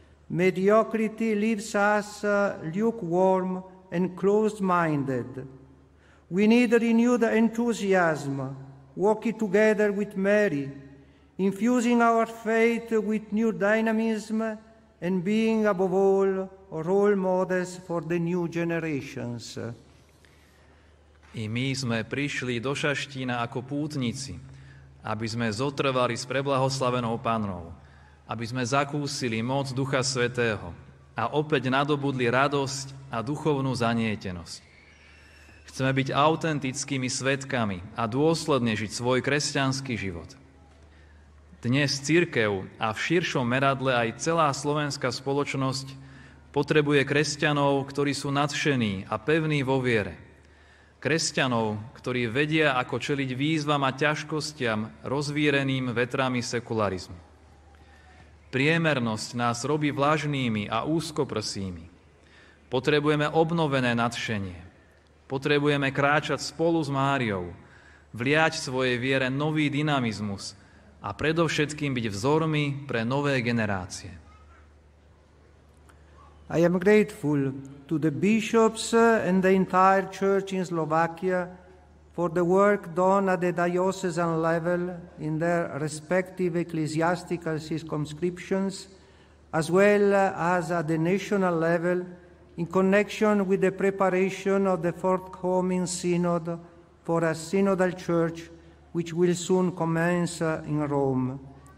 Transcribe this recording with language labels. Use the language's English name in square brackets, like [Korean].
[English] Mediocrity leaves us lukewarm and closed-minded. We need renewed enthusiasm, walking together with Mary, infusing our faith with new dynamism, and being, above all, role models for the new generations. [Slovak] I my sme prišli do Šaštína ako pútnici, aby sme zotrvali s preblahoslavenou Pannou, aby sme zakúsili moc Ducha Svätého a opäť nadobudli radosť a duchovnú zanietenosť. Chceme byť autentickými svedkami a dôsledne žiť svoj kresťanský život. Dnes cirkev a v širšom meradle aj celá slovenská spoločnosť potrebuje kresťanov, ktorí sú nadšení a pevní vo viere. Kresťanov, ktorí vedia, ako čeliť výzvam a ťažkostiam rozvíreným vetrami sekularizmu. Priemernosť nás robí vlažnými a úzkoprsými. Potrebujeme obnovené nadšenie. Potrebujeme kráčať spolu s Máriou, vliať svojej viere nový dynamizmus a predovšetkým byť vzormi pre nové generácie. [English] I am grateful to the bishops and the entire church in Slovakia for the work done at the diocesan level in their respective ecclesiastical circumscriptions, as well as at the national level in connection with the preparation of the forthcoming synod for a synodal church which will soon commence in Rome.